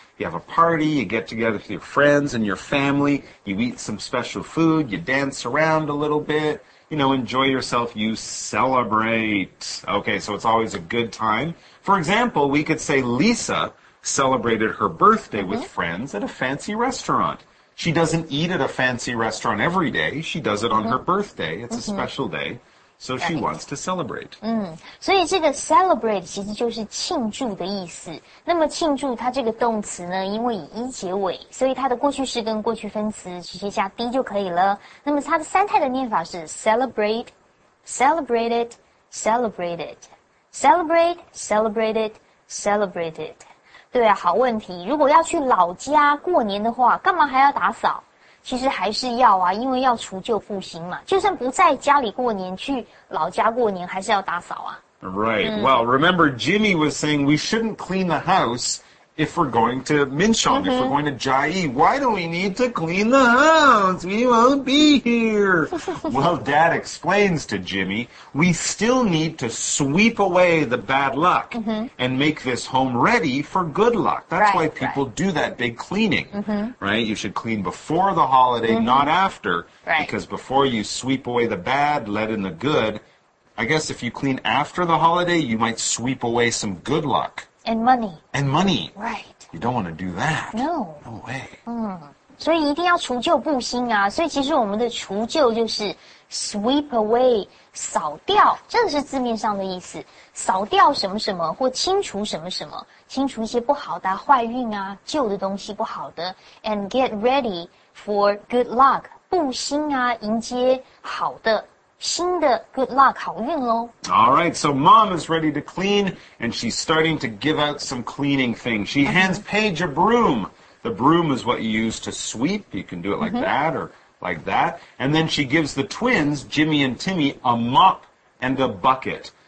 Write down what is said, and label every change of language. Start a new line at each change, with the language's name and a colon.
English: You have a party, you get together with your friends and your family, you eat some special food, you dance around a little bit, you know, enjoy yourself, you celebrate. Okay, so it's always a good time. For example, we could say Lisa celebrated her birthday with friends at a fancy restaurant. She doesn't eat at a fancy restaurant every day, she does it on her birthday. It's a special day. So she wants to celebrate.
Chinese: 所以这个 celebrate 其实就是庆祝的意思。那么庆祝它这个动词呢，因为以 e 结尾，所以它的过去式跟过去分词直接加 d 就可以了。那么它的三态的念法是 celebrate, celebrated, celebrated, celebrate, celebrated, celebrated. 对啊，好问题。如果要去老家过年的话，干嘛还要打扫？其实还是要啊，因为要除旧布新嘛。就算不在家里过年，去老家过年还是要打扫啊。
English: Right. Well, remember Jimmy was saying we shouldn't clean the house if we're going to Minxiong, if we're going to Jiayi. Why do we need to clean the house? We won't be here. Well, Dad explains to Jimmy, we still need to sweep away the bad luck and make this home ready for good luck. That's why people do that big cleaning, right? You should clean before the holiday, not after, because before you sweep away the bad, let in the good. I guess if you clean after the holiday, you might sweep away some good luck. And money. Right. You don't want to do that. No. No way.
Chinese: 所以一定要除旧布新啊。所以其实我们的除旧就是 sweep away, 扫掉，这是字面上的意思，扫掉什么什么或清除什么什么，清除一些不好的坏运啊，旧的东西不好的，
English: and get ready for good luck,
Chinese: 布新啊，迎接好的新的 good luck, 好运咯。
English: Alright, so mom is ready to clean, and she's starting to give out some cleaning things. She hands Paige a broom. The broom is what you use to sweep. You can do it like that or like that. And then she gives the twins, Jimmy and Timmy, a mop and a bucket.